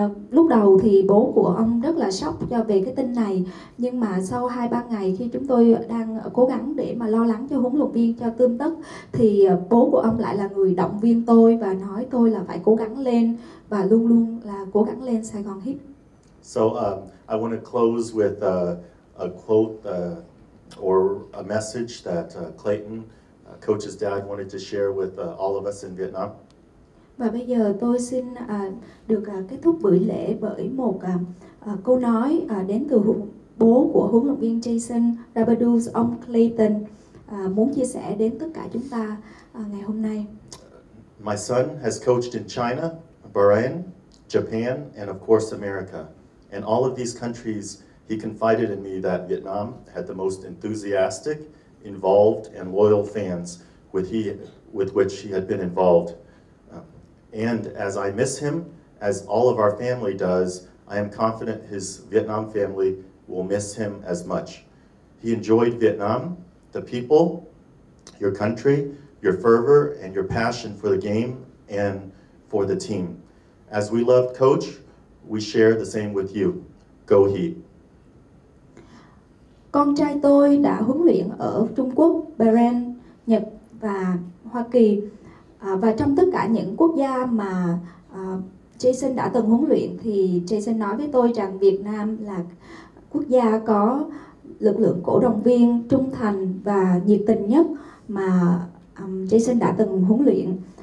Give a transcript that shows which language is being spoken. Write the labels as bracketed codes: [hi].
[vi] Lúc đầu thì bố của ông rất là sốc cho về cái tin này, nhưng mà sau 2-3 ngày khi chúng tôi đang cố gắng để mà lo lắng cho huấn luyện viên, cho tươm tất, thì bố của ông lại là người động viên tôi và nói tôi là phải cố gắng lên và luôn luôn là cố gắng lên Saigon Heat. [en] So I want to close with a quote or a message that Clayton, Coach's dad, wanted to share with all of us in Vietnam. [vi] Và bây giờ tôi xin được kết thúc buổi lễ bởi một câu nói đến từ bố của huấn luyện viên Jason Rabedeux, ông Clayton, muốn chia sẻ đến tất cả chúng ta ngày hôm nay. [en] My son has coached in China, Bahrain, Japan, and of course America. In all of these countries, he confided in me that Vietnam had the most enthusiastic, involved, and loyal fans with which he had been involved. And as I miss him, as all of our family does, I am confident his Vietnam family will miss him as much. He enjoyed Vietnam, the people, your country, your fervor, and your passion for the game and for the team. As we love Coach, we share the same with you. Go Heat. [vi] Con trai tôi đã huấn luyện ở Trung Quốc, Bahrain, Nhật và Hoa Kỳ. Và trong tất cả những quốc gia mà Jason đã từng huấn luyện thì Jason nói với tôi rằng Việt Nam là quốc gia có lực lượng cổ động viên trung thành và nhiệt tình nhất mà Jason đã từng huấn luyện.